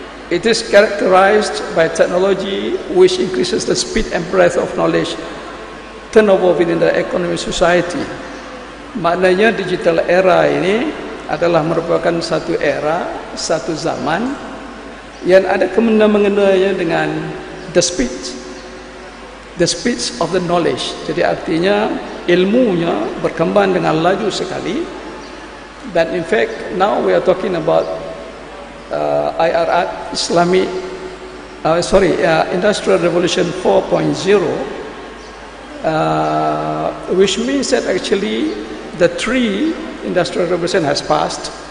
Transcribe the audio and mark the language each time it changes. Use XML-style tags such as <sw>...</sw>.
<en>It is characterized by technology which increases the speed and breadth of knowledge turnover within the economy society.</en> <id>Maknanya digital era ini adalah merupakan satu era, satu zaman yang ada kemena-menganya dengan</id> <en>the speed of the knowledge.</en> <id>Jadi artinya ilmunya berkembang dengan laju sekali.</id> <en>But in fact, now we are talking about Industrial Revolution 4.0, which means that actually the three industrial revolution has passed.</en>